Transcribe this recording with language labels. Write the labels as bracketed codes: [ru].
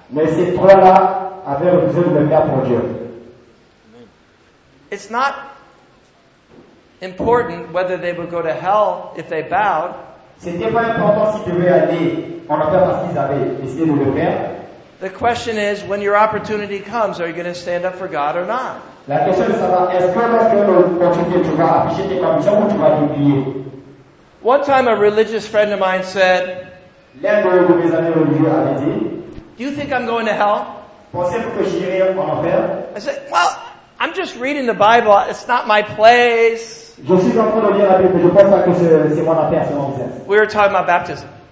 [fr] Mais ces trois-là avaient refusé de venir pour Dieu. [en] It's not important whether they would go to hell if they bowed. [fr] C'était pas important si tu devais aller en enfer parce qu'ils avaient décidé de le faire. [en] The question is, when your opportunity comes, are you going to stand up for God or not? [fr] La question est savoir, est-ce que lorsque l'opportunité tu vas afficher tes convictions ou tu vas l'oublier? [en] One time a religious friend of mine said, do you think I'm going to hell? I said, well, I'm just reading the Bible. It's not my place. We were talking about baptism.